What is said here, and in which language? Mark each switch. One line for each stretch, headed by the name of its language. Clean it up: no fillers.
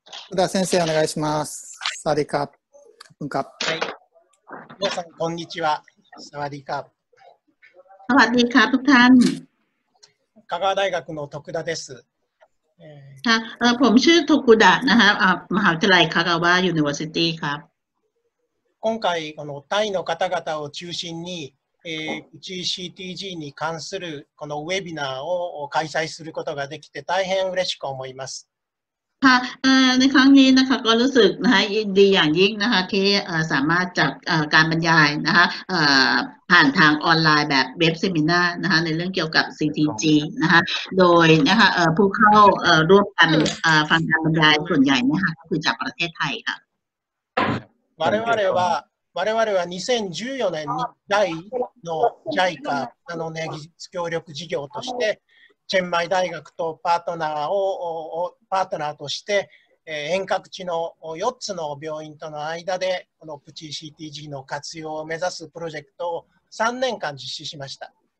Japanese: Tokuda 先生お願いします
Thai: สวัสดีครับขอบคุณครับ
Japanese: はい皆さんこんにちは
Thai: สวัสดีครับ สวัสดีครับทุกท่าน
Japanese: 香川大学の徳田です
Thai: ค่ะผมชื่อ徳田นะคะมหาวิทยาลัย香川 University ครับ
Japanese: 今回このタイの方々を中心にうち CTG に関するこのウェビナーを開催することができて大変嬉しく思います
Thai: ค่ะในครั้งนี้นะคะก็รู้สึกนะคะดีอย่างยิ่งนะคะที่สามารถจัดการบรรยายนะคะผ่านทางออนไลน์แบบเว็บเซมินาร์นะคะในเรื่องเกี่ยวกับ CTG นะคะโดยนะคะผู้เข้าร่วมกันฟังการบรรยายส่วนใหญ่นะคะก็คือจากประเทศไทยค่ะ
Japanese: วาเรวา2014年に第の JICA の技術協力事業としてチェンマイ大学とパートナーとして遠隔地の4つの病院との間でこのプチ CTG の活用を目指すプロジェクトを3年間実施しました。